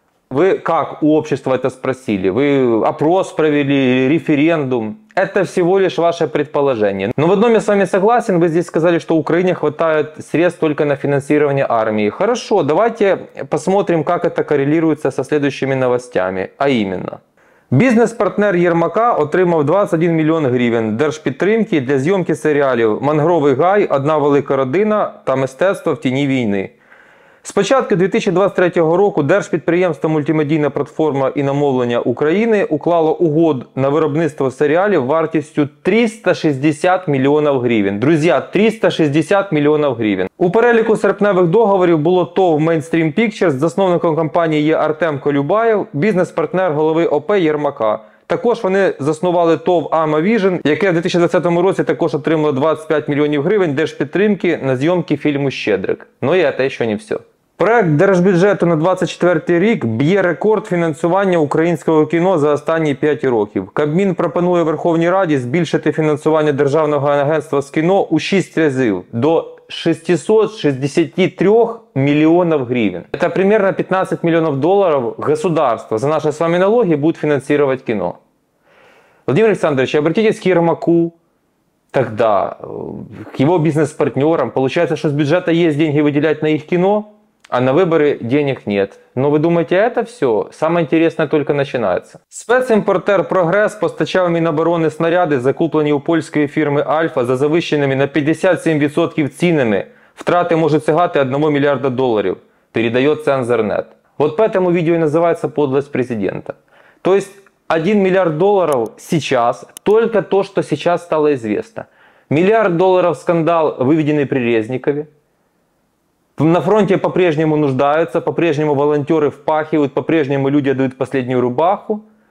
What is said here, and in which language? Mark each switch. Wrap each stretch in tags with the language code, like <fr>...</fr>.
<ru>Вы как у общества это спросили? Вы опрос провели, референдум? Это всего лишь ваше предположение. Но в одном я с вами согласен. Вы здесь сказали, что Украине хватает средств только на финансирование армии. Хорошо, давайте посмотрим, как это коррелируется со следующими новостями. А именно.</ru> <uk>Бизнес-партнер Єрмака отримав 21 мільйон гривень держпідтримки для зйомки серіалів «Мангровий гай», «Одна велика родина» та «Мистецтво в тіні війни». З початку 2023 року держпідприємство «Мультимедійна платформа іномовлення України» уклало угод на виробництво серіалів вартістю 360 мільйонів гривень. Друзі, 360 мільйонів гривень. У переліку серпневих договорів було ТОВ «Mainstream Pictures», засновником компанії є Артем Колюбаєв, бізнес-партнер голови ОП Єрмака. Також вони заснували ТОВ «Ама Віжен», яке в 2020 році також отримало 25 мільйонів гривень держпідтримки на зйомки фільму «Щедрик». Ну і це ще не все. Проект держбюджету на 2024 рік б'є рекорд фінансування українського кіно за останні 5 років. Кабмін пропонує Верховній Раді збільшити фінансування Державного агентства з кіно у 6 разів – до 663 мільйонів гривень. Це приблизно 15 мільйонів доларів государства за наші з вами налоги будуть фінансувати кіно.</uk> <ru>Володимир Олександрович, обратитесь к Єрмаку. Тогда к его бизнес-партнерам. Получается, что с бюджета есть деньги выделять на их кино, а на выборы денег нет. Но вы думаете, это все? Самое интересное только начинается.</ru> <uk>Спецімпортер «Прогрес» постачав Міноборони снаряди, закуплені у польської фірми «Альфа», за завищеними на 57% цінами. Втрати можуть сягати 1 мільярда доларів, передает «Цензорнет».</uk> <ru>Вот поэтому видео и называется «Подлость президента». То есть 1 миллиард долларов сейчас, только то, что сейчас стало известно. Миллиард долларов скандал, выведенный при Резникове. На фронте по-прежнему нуждаются, по-прежнему волонтеры впахивают, по-прежнему люди дают последнюю рубаху.</ru>